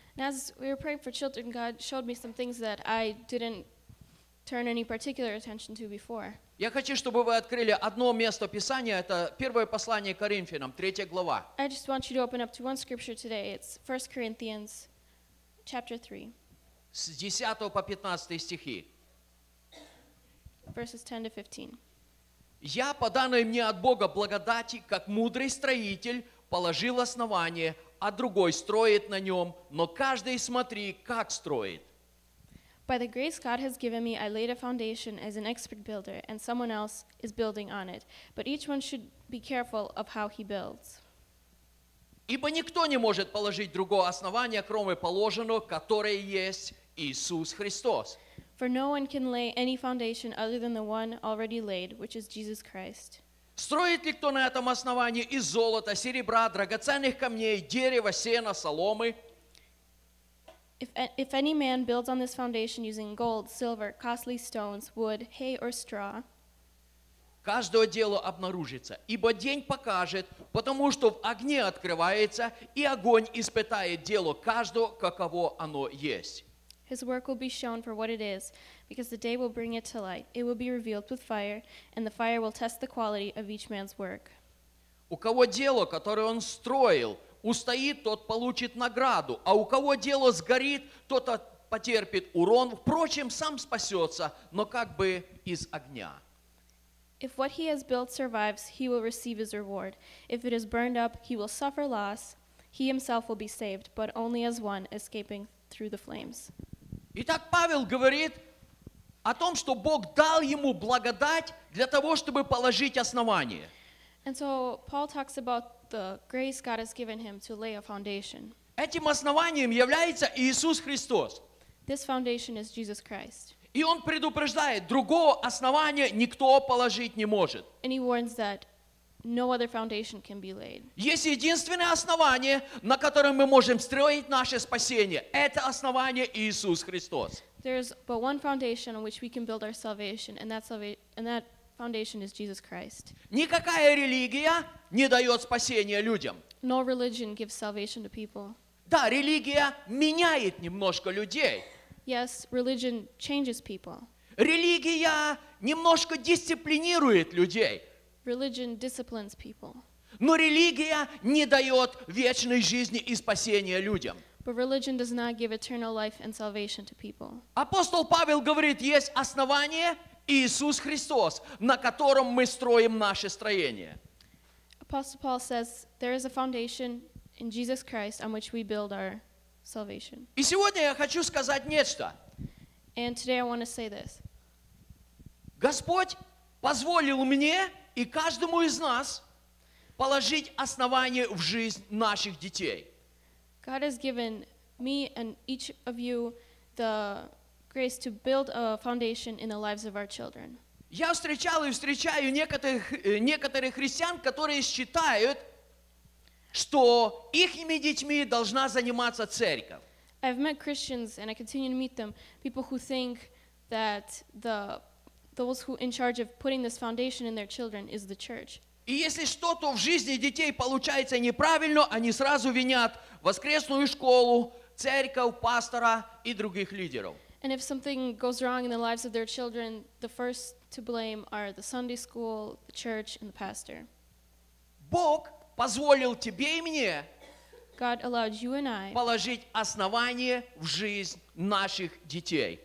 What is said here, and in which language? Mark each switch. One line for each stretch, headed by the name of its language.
English: And as we were praying for children, God showed me some things that I didn't turn any particular attention to before.
Russian: Я хочу, чтобы вы открыли одно место Писания, это первое послание Коринфянам, 3 глава.
English: I just want you to open up to one scripture today. It's 1 Corinthians chapter 3.
Russian: С 10 по 15 стихи.
English: Verses 10 to 15.
Russian: Я по данной мне от Бога благодати, как мудрый строитель, положил основание, а другой строит на нем, но каждый смотри, как строит.
English: By the grace God has given me, I laid a foundation as an expert builder, and someone else is building on it. But each one should be careful of how he builds.
Russian: Ибо никто не может положить другого основания, кроме положенного, которое есть Иисус Христос.
English: For no one can lay any foundation other than the one already laid, which is Jesus Christ.
Russian: Строит ли кто на этом основании из золота, серебра, драгоценных камней, дерева, сена, соломы?
English: If any man builds on this foundation using gold, silver, costly stones, wood, hay or straw,
Russian: каждое дело обнаружится, ибо день покажет, потому что в огне открывается, и огонь испытает дело каждого, каково оно есть.
English: His work will be shown for what it is, because the day will bring it to light. It will be revealed with fire, and the fire will test the quality of each man's work.
Russian: У кого дело, которое он строил, устоит, тот получит награду, а у кого дело сгорит, тот потерпит урон, впрочем, сам спасется, но как бы из огня.
English: If what he has built survives, he will receive his reward. If it is burned up, he will suffer loss. He himself will be saved, but only as one escaping through the flames.
Russian: Итак, Павел говорит о том, что Бог дал ему благодать для того, чтобы положить основание.
English: And so Paul talks about the grace God has given him to lay a foundation.
Russian: Этим основанием является Иисус Христос.
English: This foundation is Jesus Christ.
Russian: И он предупреждает, другого основания никто положить не может.
English: And he warns that no other foundation can be laid.
Russian: Есть единственное основание, на котором мы можем строить наше спасение. Это основание Иисус Христос.
English: There's but one foundation on which we can build our salvation, and that foundation is Jesus Christ.
Russian: Никакая религия не дает спасения людям.
English: No religion gives salvation to people.
Russian: Да, религия меняет немножко людей.
English: Yes, religion changes people.
Russian: Религия немножко дисциплинирует людей.
English: Religion disciplines people.
Russian: Но религия не дает вечной жизни и спасения людям.
English: But religion does not give eternal life and salvation to people.
Russian: Апостол Павел говорит, есть основание Иисус Христос, на котором мы строим наше строение.
English: Apostle Paul says, there is a foundation in Jesus Christ on which we build our salvation.
Russian: И сегодня я хочу сказать нечто.
English: And today I want to say this.
Russian: Господь позволил мне и каждому из нас положить основание в жизнь наших детей.
English: God has given me and each of you the grace to build a foundation in the lives of our children.
Russian: Я встречал и встречаю некоторых христиан, которые считают, что ихними детьми должна заниматься церковь.
English: I've met Christians and I continue to meet them, people who think that those who in charge of putting this foundation in their children is the church.
Russian: И если что-то в жизни детей получается неправильно, они сразу винят воскресную школу, церковь, пастора и других лидеров.
English: And if something goes wrong in the lives of their children, the first to blame are the Sunday school, the church and the pastor.
Russian: Бог позволил тебе и мне
English: God allowed you and I
Russian: положить основание в жизнь наших детей.